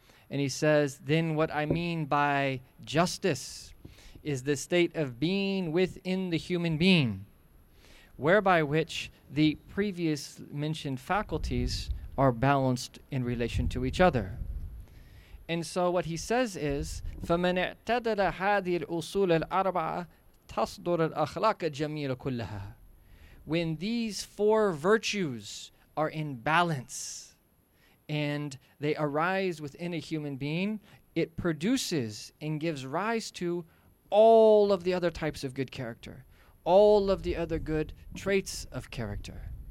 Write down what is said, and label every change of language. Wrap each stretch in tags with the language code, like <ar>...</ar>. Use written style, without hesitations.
<en>And he says, then what I mean by justice is the state of being within the human being, whereby which the previous mentioned faculties are balanced in relation to each other. And so what he says is,</en> <ar>فَمَنْ اَعْتَدَلَ هَذِي الْأُصُولَ الْأَرْبَعَ تَصْدُرَ الْأَخْلَاقَ الْجَمِيلَ كُلَّهَا.</ar> <en>When these four virtues are in balance and they arise within a human being, it produces and gives rise to all of the other types of good character, all of the other good traits of character.</en>